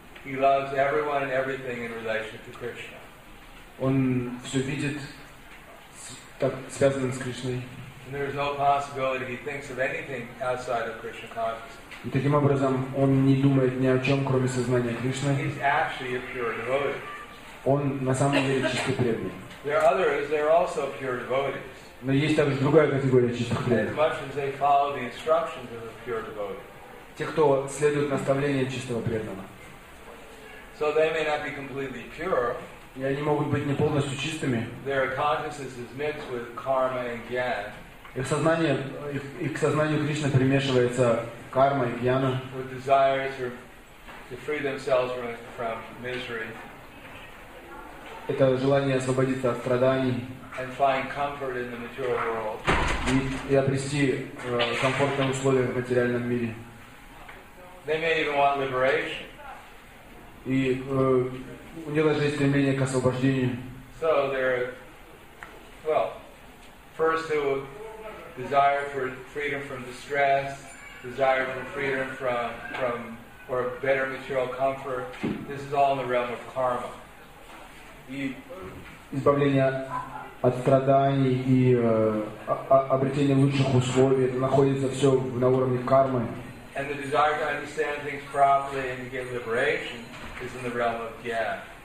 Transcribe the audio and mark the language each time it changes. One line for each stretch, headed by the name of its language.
English: He loves everyone and everything in relation to Krishna.
Russian: Он все видит, так связанным с Кришной.
English: And there is no possibility he thinks of anything outside of Krishna consciousness.
Russian: И таким образом он не думает ни о чем, кроме сознания Кришны.
English: He's actually a pure devotee.
Russian: Он на самом деле чистый преданный.
English: There are others, there are also pure devotees.
Russian: Но есть также другая категория чистых преданных.
English: As much as they follow the instructions of a pure devotee.
Russian: Те, кто следует наставлениям чистого преданного.
English: So they may not be completely pure.
Russian: И они могут быть не полностью чистыми.
English: Their consciousness is mixed with karma and jnana.
Russian: Их сознанию Кришны примешивается карма и гьяна.
English: With desires to free themselves from misery.
Russian: Это желание освободиться от страданий.
English: And find comfort in the material world.
Russian: И обрести комфортные условия в материальном мире.
English: They may even want liberation.
Russian: И у них даже есть стремление к освобождению.
English: So they're, well, first to desire for freedom from distress, desire for freedom from or better material comfort. This is all in the realm of karma.
Russian: Избавление от страданий и обретение лучших условий, это находится все на уровне кармы.
English: And the desire to understand things properly and to get liberation is in the realm of jnana.